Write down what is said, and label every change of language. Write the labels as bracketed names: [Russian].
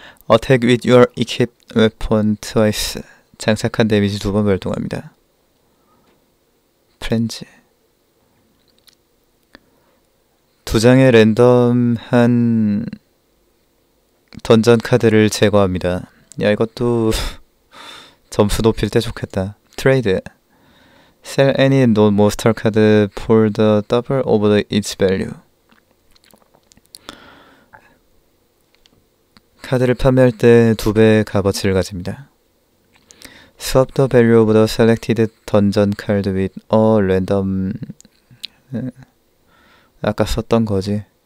[English] Attack with your equipped weapon twice. [Korean] 장착한 데미지 두번 발동합니다. 프렌즈. 두 장의 랜덤한 던전 카드를 제거합니다. 야, 이것도 점수 높일 때 좋겠다. 트레이드. [English] Sell any non-monster card for the double of its value. [Korean] 카드를 판매할 때두 배의 값어치를 가집니다. [English] Swap the value of the selected dungeon card with a random. [Korean] 아까 썼던 거지.